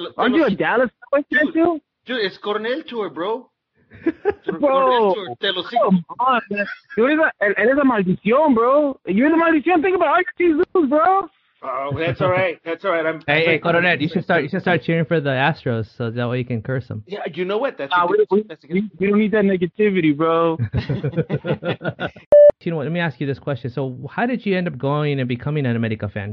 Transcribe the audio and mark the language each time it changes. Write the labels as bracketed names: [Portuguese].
[English] Aren't you a Dallas fan, too? Dude, it's Cornell tour, bro. [Spanish] Bro, eres la maldición, bro. [English] You're the maldición. Think about all your teams lose, bro. Oh, that's all right. Coronet, you should start cheering for the Astros so that way you can curse them. Yeah, you know what? That's good. We don't need that negativity, bro. You know what? Let me ask you this question. So, how did you end up going and becoming an America fan?